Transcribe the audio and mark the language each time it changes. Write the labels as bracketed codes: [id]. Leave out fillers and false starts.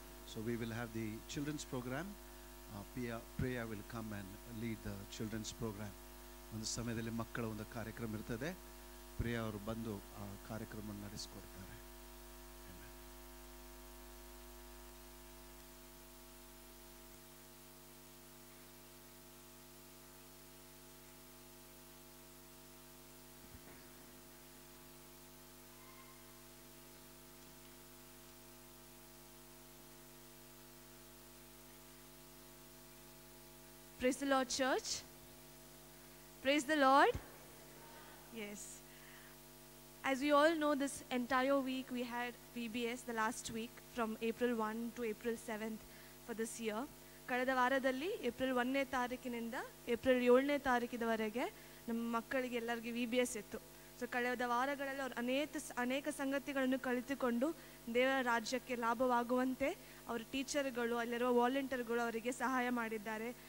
[en] So we will have the children's program. Priya will come and lead the children's program. [kn] ಒಂದು ಸಮಯದಲ್ಲಿ ಮಕ್ಕಳ ಒಂದು ಕಾರ್ಯಕ್ರಮ ಇರ್ತದೆ. ಪ್ರಿಯಾ ಅವರು ಬಂದು ಆ ಕಾರ್ಯಕ್ರಮ ನಡೆಸಿಕೊಡ್ತಾರೆ. [en] Praise the Lord, church. Praise the Lord. Yes. As we all know, this entire week we had VBS, the last week from April 1 to April 7th for this year. [kn] ಕಳೆದ ವಾರದಲ್ಲಿ ಏಪ್ರಿಲ್ 1ನೇ ತಾರೀಕಿನಿಂದ ಏಪ್ರಿಲ್ 7ನೇ ತಾರೀಕಿನವರೆಗೆ ನಮ್ಮ ಮಕ್ಕಳಿಗೆ ಎಲ್ಲರಿಗೆ VBS ಇತ್ತು. So ಕಳೆದ ವಾರಗಳಲ್ಲಿ ಅವರು ಅನೇಕ ಸಂಗತಿಗಳನ್ನು ಕಲಿತುಕೊಂಡು ದೇವರ ರಾಜ್ಯಕ್ಕೆ ಲಾಭವಾಗುವಂತೆ ಅವರ ಟೀಚರ್ಗಳು, ಅಲ್ಲಿರುವ ವಾಲಂಟಿಯರ್ಗಳು ಅವರಿಗೆ ಸಹಾಯ ಮಾಡಿದ್ದಾರೆ.